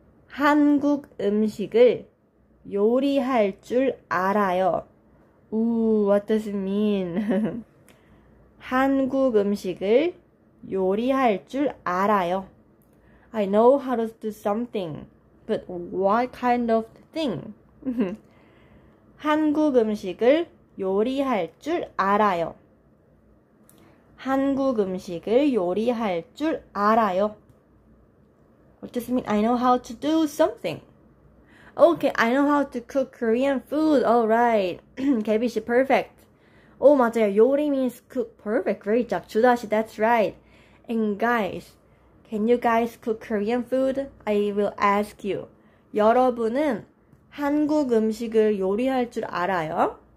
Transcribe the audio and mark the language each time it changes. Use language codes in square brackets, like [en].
[ko] 한국 음식을 요리할 줄 알아요. [en] Ooh, what does it mean? [ko] 한국 음식을 요리할 줄 알아요. [en] I know how to do something, but what kind of thing? [ko] 한국 음식을 요리할 줄 알아요. 한국 음식을 요리할 줄 알아요. [en] What does it mean? I know how to do something. Okay, I know how to cook Korean food. Alright. Gabby 씨, perfect. Oh, [ko] 맞아요. [en] 요리 means cook. Perfect. Great job. 주다 씨, that's right. And guys, can you guys cook Korean food? I will ask you. [ko] 여러분은 한국 음식을 요리할 줄 알아요?